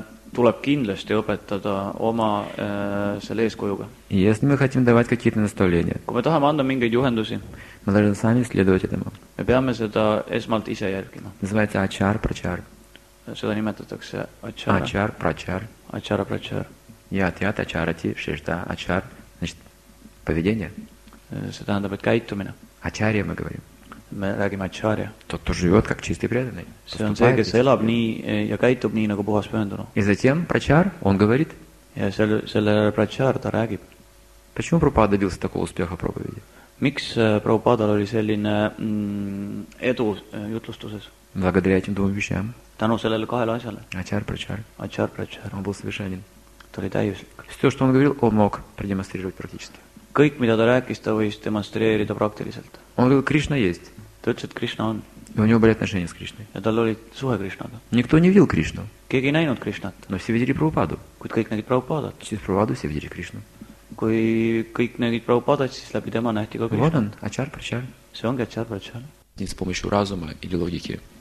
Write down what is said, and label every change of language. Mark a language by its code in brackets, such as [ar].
[et] Tuleb kindlasti õpetada oma selle eeskujuga. [ru] Если мы хотим давать какие-то наставления. [et] Kui me tahame anda mingeid juhendusi. [ru] Мы должны сами следовать этому. [et] Me peame seda esmalt ise järgima. [ru] Называется ачар-прачар. [et] Seda nimetatakse ачара. [ru] Ачар-прачар. [et] Ачара-прачар. [ru] Я отят, ачарати, шешта, ачар, значит, поведение. Это [et] тähendab, et käitumine. [ru] Ачария мы говорим. [et] Me räägime ачария. [ru] Тот, кто живет, как чистый преданный. [et] See on see, kes elab nii ja käitub nii, nagu puhas pühendunu. [ru] И затем прачар, он говорит. [et] Ja selle прачар ta räägib. [ru] Почему Прабхупада добился такого успеха проповеди? [et] Miks Прабхупадал oli selline edu jutlustuses? [ru] Благодаря этим двум вещам. [et] Tänu sellele kahele asjale. [ru] Ачар-прачар. [et] Ачар-прачар. [ru] Он был совершенен. [et] Ta oli täiuslik. [ru] Все, что он говорил, он мог продемонстрировать практически. [et] Kõik, mida ta rääkis, ta võis demonstreerida praktiliselt. [ru] Он говорил, Кришна есть. [et] Ta ütles, et Krishna on. [ru] И у него были отношения с Кришной. [et] Ja tal oli suhe Krishnaga. [ru] Никто не видел Кришну. [et] Keegi ei näinud Krishnat. [ru] Но все видели Прабхупаду. [et] Kuid kõik nägid Прабхупадат. Siis [ru] Прабхупаду все видели Кришну. [et] Kui kõik nägid Прабхупадат, siis läbi tema nähti ka Krishna. [ru] Вот он, ачар-прачар. [et] See ongi ачар-прачар. [ru] С помощью разума или логики.